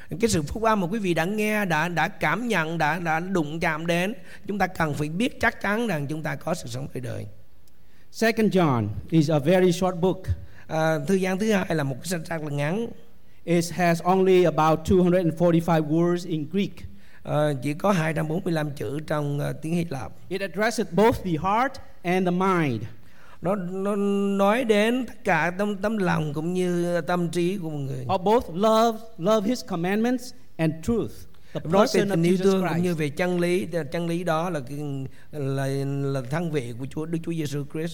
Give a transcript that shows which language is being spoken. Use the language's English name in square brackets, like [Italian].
[Vietnamese] Cái sự phúc âm mà quý vị đã nghe, đã cảm nhận, đã đụng chạm đến, chúng ta cần phải biết chắc chắn rằng chúng ta có sự sống đời đời. [English] Second John is a very short book. [Vietnamese] Thư Giăng thứ hai là một cái sách rất là ngắn. [English] It has only about 245 words in Greek. [Vietnamese] Chỉ có 245 chữ trong tiếng Hy Lạp. [English] It addresses both the heart and the mind. [Vietnamese] Nó nói đến tất cả tâm lòng cũng như tâm trí của một người. [English] Or both love his commandments and truth. The [Vietnamese] nói về tình yêu thương cũng như về chân lý đó là thân vị của Chúa Đức Chúa Giêsu Christ.